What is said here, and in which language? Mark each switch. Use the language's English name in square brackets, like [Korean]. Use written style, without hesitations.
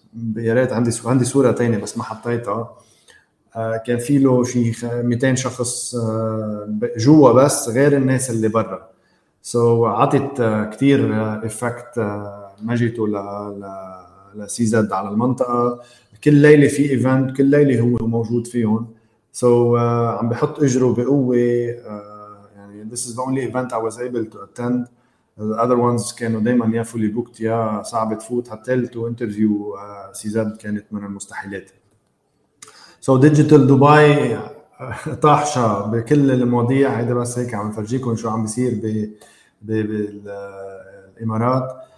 [Arabic] بياريت عندي صورة تانية بس ما حطيتها. كان في له شيء 200 شخص جوا بس غير الناس اللي برا. So عطت كتير effect مجيته لسيزاد على المنطقة. كل ليلة في event, كل ليلة هو موجود فيهم. So عم بحط إجره بقوة. [English] This is the only event I was able to attend. The other ones [Arabic] كانوا دايما يا [English] fully booked [Arabic] يا صعب تفوت. حتى [English] to interview [Arabic] سيزاد كانت من المستحيلات. So Digital Dubai طاحشة بكل المواضيع. هيدا بس هيك عم نفرجيكم شو عم بيصير بالإمارات.